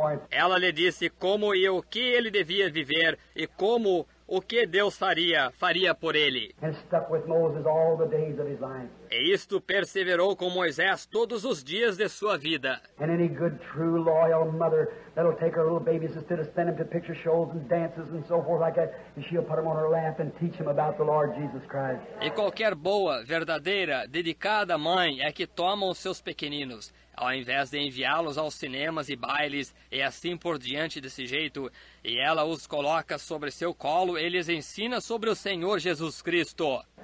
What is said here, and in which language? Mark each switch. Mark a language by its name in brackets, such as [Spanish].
[Portuguese] Ela lhe disse como e o que ele devia viver e como o que Deus faria por ele. [English] And stuck with Moses all the days of his life. [Portuguese] E isto perseverou com Moisés todos os dias de sua vida. [English] And any good, true, loyal mother that'll take her little babies instead of send them to picture shows and dances and so forth like that, she'll put them on her lap and teach them about the Lord Jesus Christ. [Portuguese] E qualquer boa, verdadeira, dedicada mãe é que toma os seus pequeninos, ao invés de enviá-los aos cinemas e bailes e assim por diante desse jeito, e ela os coloca sobre seu colo e lhes ensina sobre o Senhor Jesus Cristo.